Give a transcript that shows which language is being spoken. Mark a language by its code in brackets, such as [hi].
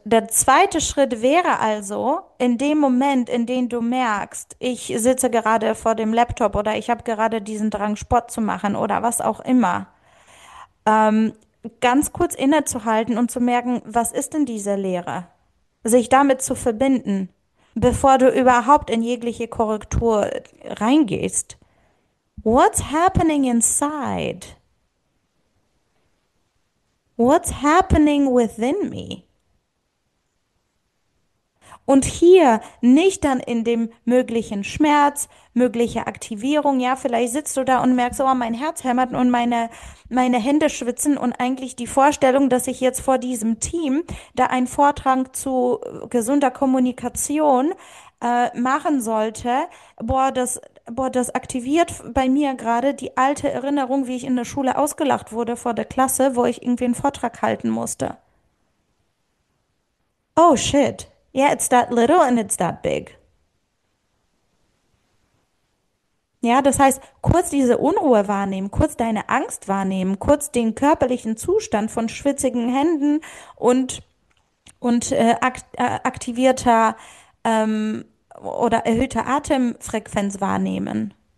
[de] Der zweite Schritt wäre also, in dem Moment, in dem du merkst, ich sitze gerade vor dem Laptop oder ich habe gerade diesen Drang, Sport zu machen oder was auch immer, ganz kurz innezuhalten und zu merken, was ist denn diese Leere? Sich damit zu verbinden. bevor du überhaupt in jegliche Korrektur reingehst. [en] What's happening inside? What's happening within me? [de] Und hier nicht dann in dem möglichen Schmerz, mögliche Aktivierung. Ja, vielleicht sitzt du da und merkst, oh, mein Herz hämmert und meine Hände schwitzen und eigentlich die Vorstellung, dass ich jetzt vor diesem Team da einen Vortrag zu gesunder Kommunikation machen sollte. Boah, das aktiviert bei mir gerade die alte Erinnerung, wie ich in der Schule ausgelacht wurde vor der Klasse, wo ich irgendwie einen Vortrag halten musste. [en] Oh, shit. Yeah, it's that little and it's that big. [de] Ja, das heißt, kurz diese Unruhe wahrnehmen, kurz deine Angst wahrnehmen, kurz den körperlichen Zustand von schwitzigen Händen und aktivierter oder erhöhter Atemfrequenz wahrnehmen.